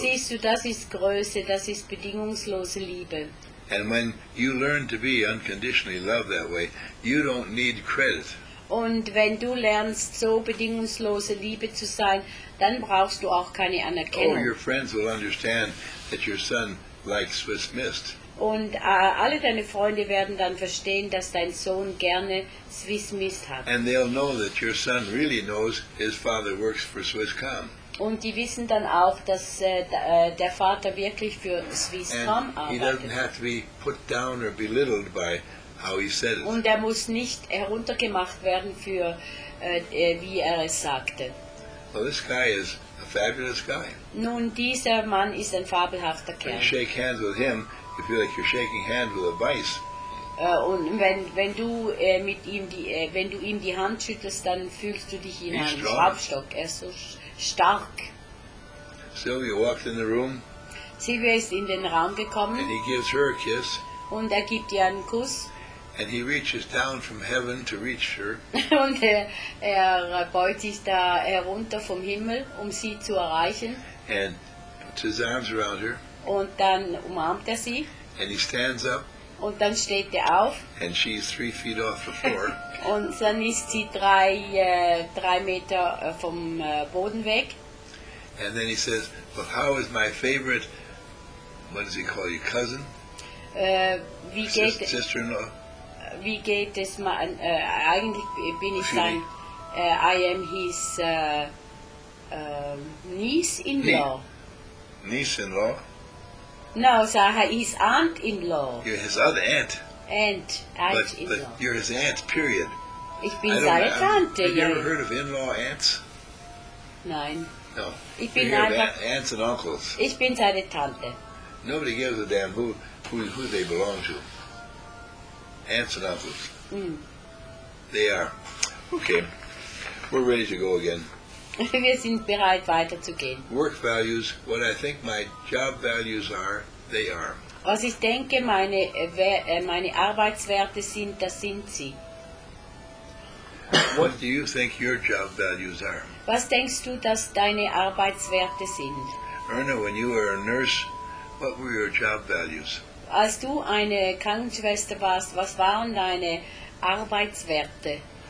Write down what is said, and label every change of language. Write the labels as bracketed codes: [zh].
[de] Siehst du, das ist Größe, das ist bedingungslose Liebe. [en] And when you learn to be unconditionally loved that way, you don't need credit. [de] Und wenn du lernst, so bedingungslose Liebe zu sein, dann brauchst du auch keine Anerkennung. [en] Oh, your friends will understand that your son likes Swiss Mist. [de] Und alle deine Freunde werden dann verstehen, dass dein Sohn gerne Swiss Mist hat. [en] And they'll know that your son really knows his father works for Swisscom. [de] Und die wissen dann auch, dass der Vater wirklich für Swisscom arbeitet. [en] And he doesn't have to be put down or belittled by how he said it. [de] Und er muss nicht heruntergemacht werden für wie er es sagte. [en] Well, this guy is a fabulous guy. [de] Nun, dieser Mann ist ein fabelhafter Kerl. [en] When you shake hands with him, you feel like you're shaking hands with a vice. [de] Und wenn du mit ihm wenn du ihm die Hand schüttelst, dann fühlst du dich in einem Schraubstock. Er ist so stark. [en] Sylvia walked in the room. [de] Sylvia ist in den Raum gekommen. [en] And he gives her a kiss. [de] Und er gibt ihr einen Kuss. [en] And he reaches down from heaven to reach her. [de] Und er beugt sich da herunter vom Himmel, um sie zu erreichen. [en] And puts his arms around her. [de] Und dann umarmt er sie. [en] And he stands up. [de] Und dann steht er auf. [en] And she's 3 feet off the floor. [de] Und dann ist sie drei Meter vom Boden weg. [en] And then he says, "Well, how is my favorite? What does he call you, cousin?" Sister-in-law. [de] Wie geht es eigentlich bin ich dann? [en] I am his niece-in-law. Niece-in-law. No, so his aunt-in-law. You're his other aunt. Aunt-in-law. But you're his aunt, period. [de] Ich bin seine Tante. [en] Have you ever heard of in-law aunts? [de] Nein. [en] No. [de] Ich bin einfach [en] aunts and uncles. [de] Ich bin seine Tante. [en] Nobody gives a damn who they belong to. Aunts and uncles. Mm. They are. Okay. We're ready to go again. [de] Wir sind bereit, weiterzugehen. [en] Work values, what I think my job values are, they are. [de] Was ich denke, meine Arbeitswerte sind, das sind sie. [en] What do you think your job values are? [de] Was denkst du, dass deine Arbeitswerte sind? [en] Erna, when you were a nurse, what were your job values? [de] Als du eine Krankenschwester warst, was waren deine Arbeitswerte?